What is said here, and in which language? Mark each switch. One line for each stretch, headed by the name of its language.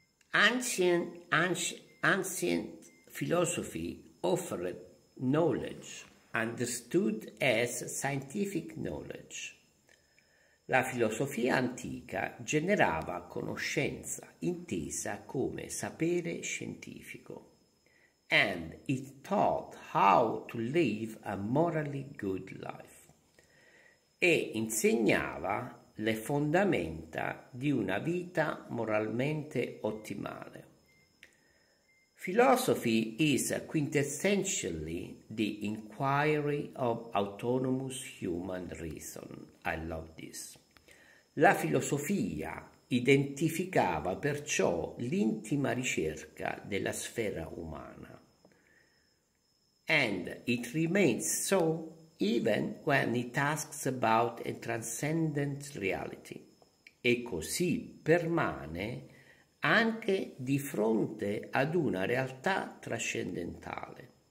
English: Ancient philosophy offered knowledge understood as scientific knowledge.
Italian: La filosofia antica generava conoscenza intesa come sapere scientifico.
English: And it taught how to live a morally good life.
Italian: E insegnava le fondamenta di una vita moralmente ottimale.
English: Philosophy is quintessentially the inquiry of autonomous human reason. I love this.
Italian: La filosofia identificava perciò l'intima ricerca della sfera umana.
English: And it remains so even when it asks about a transcendent reality.
Italian: E così permane anche di fronte ad una realtà trascendentale.